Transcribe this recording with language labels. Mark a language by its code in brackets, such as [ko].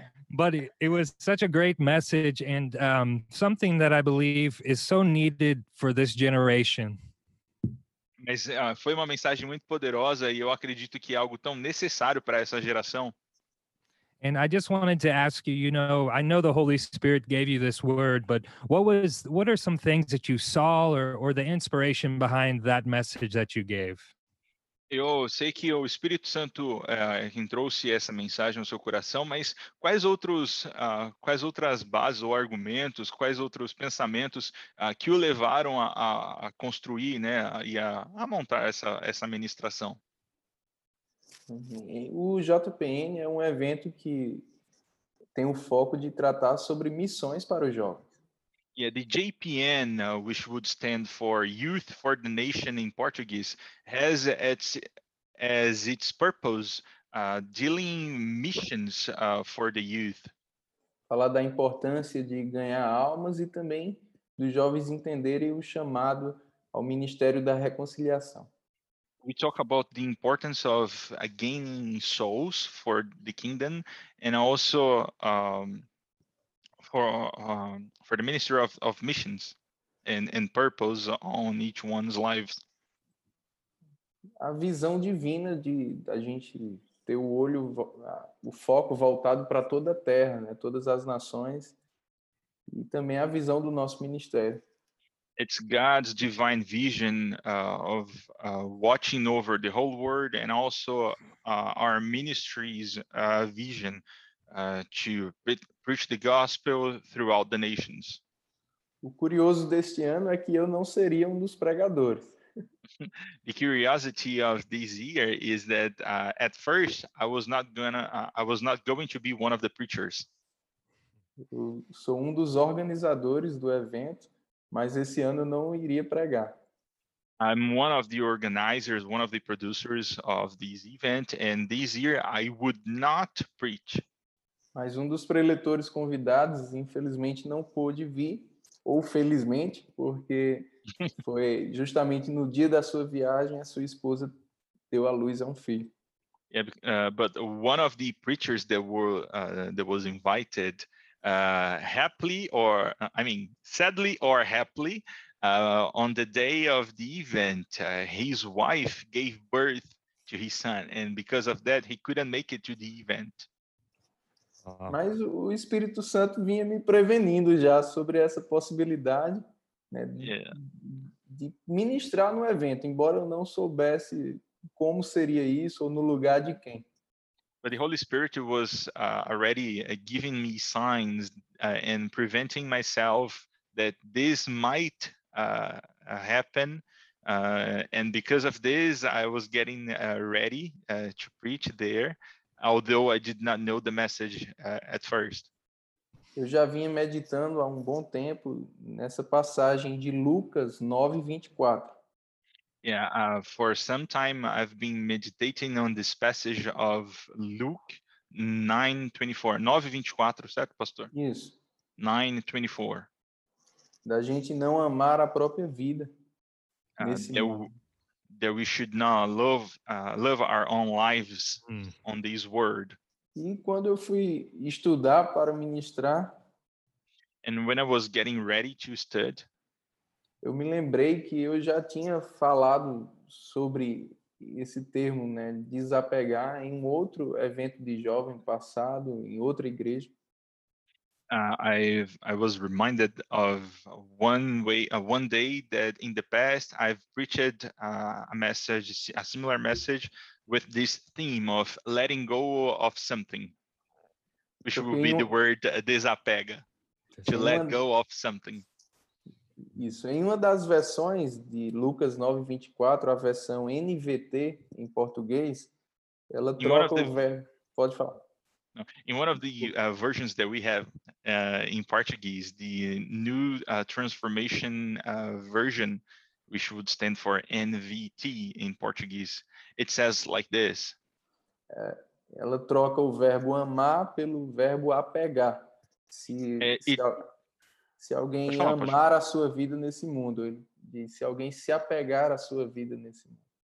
[en] But it was such a great message and something that I believe is so needed for this generation. [pt] Mas foi uma mensagem muito poderosa e eu acredito que é algo tão necessário para essa geração. [en] And I just wanted to ask you, you know, I know the Holy Spirit gave you this word, but what are some things that you saw or the inspiration behind that message that you gave? [pt] Eu sei que o Espírito Santo trouxe essa mensagem no seu coração, mas quais outras bases ou argumentos, quais outros pensamentos que o levaram a construir, né, e a montar essa ministração? O JPN é um evento que tem o foco de tratar sobre missões para os jovens. [en] Yeah, the JPN, which would stand for Youth for the Nation in Portuguese, has as its purpose dealing missions for the youth. [pt] Falar da importância de ganhar almas e também dos jovens entenderem o chamado ao Ministério da Reconciliação. [en] We talk about the importance of gaining souls for the kingdom and also for the ministry of missions and purpose on each one's lives. [pt] A visão divina de a gente ter o foco voltado para toda a terra, né, todas as nações, e também a visão do nosso ministério. [en] It's God's divine vision of watching over the whole world and also our ministry's vision to preach the gospel throughout the nations. [pt] O curioso deste ano é que eu não seria dos pregadores. [en] The curiosity of this year is that at first I was not going to be one of the preachers. [pt] Eu sou dos organizadores do evento, mas esse ano não iria pregar. [en] I'm one of the organizers, one of the producers of this event, and this year I would not preach. [pt] Mas dos preletores convidados, infelizmente, não pôde vir, ou felizmente, porque foi justamente no dia da sua viagem, a sua esposa deu à luz a filho. [en] Yeah, but one of the preachers that were that was invited, happily or I mean sadly or happily, on the day of the event, his wife gave birth to his son, and because of that, he couldn't make it to the event. [pt] Mas o Espírito Santo vinha me prevenindo já sobre essa possibilidade, né, de ministrar no evento, embora eu não soubesse como seria isso ou no lugar de quem. [en] But the Holy Spirit was already giving me signs and preventing myself that this might happen, and because of this I was getting ready to preach there, although I did not know the message at first. [pt] Eu já vinha meditando há bom tempo nessa passagem de Lucas 9:24. [en] Yeah, for some time I've been meditating on this passage of Luke 9:24. [pt] 9:24, certo, pastor? Isso. 9:24. Da gente não amar a própria vida. [en] That we should not love our own lives on this word. [pt] E quando eu fui estudar para ministrar, [en] and when I was getting ready to study, [pt] eu me lembrei que eu já tinha falado sobre esse termo, né, desapegar, em um outro evento de jovem passado, em outra igreja. [en] I was reminded of one day that in the past I've preached a similar message with this theme of letting go of something, which would be the word desapega, to let go of something. [pt] Isso, em uma das versões de Lucas 9:24, a versão NVT em português, ela troca o verbo. Pode falar. [en] In one of the versions that we have in Portuguese, the new transformation version, which would stand for NVT in Portuguese, it says like this. [pt] Ela troca o verbo amar pelo verbo apegar. Se alguém amar a sua vida nesse mundo, se alguém se apegar à sua vida nesse mundo.